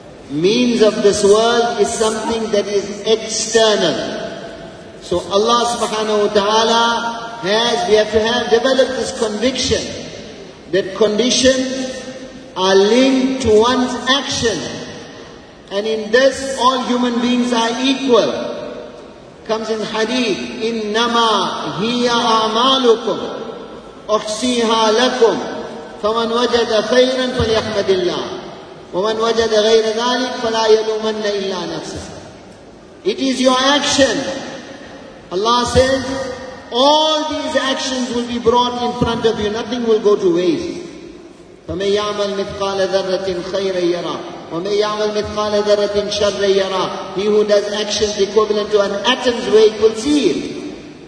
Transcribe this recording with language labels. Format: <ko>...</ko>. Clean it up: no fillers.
<en>Means of this world is something that is external. So Allah subhanahu wa ta'ala has, we have to have developed this conviction that conditions are linked to one's action. And in this, all human beings are equal. Comes in hadith,</en> <ar>إِنَّمَا هِيَ أَعْمَالُكُمْ أُحْصِيهَا لَكُمْ فَمَنْ وَجَدَ خَيْرًا فَلْيَحْمَدِ اللَّهِ وَمَنْ وَجَدَ غَيْرَ ذَلِكَ فَلَا يَلُومَنَّ إِلَّا نَفْسَهُ.</ar> <en>It is your action. Allah says, all these actions will be brought in front of you. Nothing will go to waste.</en> <ar>فَمَنْ يَعْمَلْ مِثْقَالَ ذَرَّةٍ خَيْرًا يَرَى وَمَنْ يَعْمَلْ مِثْقَالَ ذَرَّةٍ شَرًّا يَرَى.</ar> <en>He who does actions equivalent to an atom's weight will see it.</en>